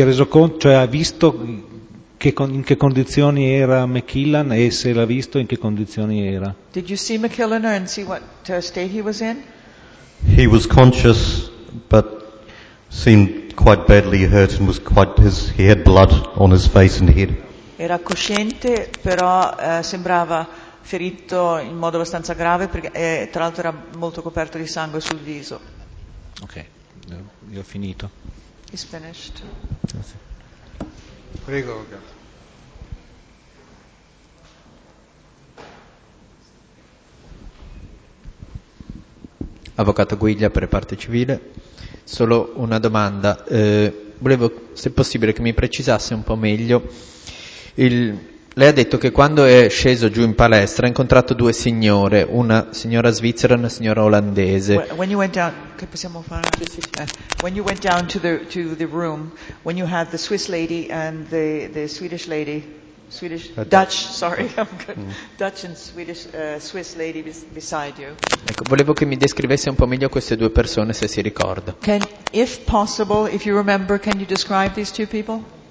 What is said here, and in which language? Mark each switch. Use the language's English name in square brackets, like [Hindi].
[Italian] Ha visto in che condizioni era McQuillan e se l'ha visto in che condizioni era. [English] Did you see McQuillan and see what state he was in? He was conscious, but seemed quite badly hurt, and was he had blood on his face and head. [Italian] Era cosciente, però sembrava ferito in modo abbastanza grave, perché tra l'altro era molto coperto di sangue sul viso. Ok, io ho finito. [English] He's finished. [Italian] Prego. Avvocato Guiglia per parte civile, solo una domanda, volevo se possibile che mi precisasse un po' meglio, lei ha detto che quando è sceso giù in palestra ha incontrato due signore, una signora svizzera e una signora olandese. [English] When you went down, [Italian] che possiamo fare? [English] When you went down to the room, when you had the Swiss lady and the Swedish lady, Dutch and Swedish, Swiss lady beside you. [Italian] Ecco, volevo che mi descrivesse un po' meglio queste due persone, se si ricorda. [English] If possible, if you remember, can you describe these two people?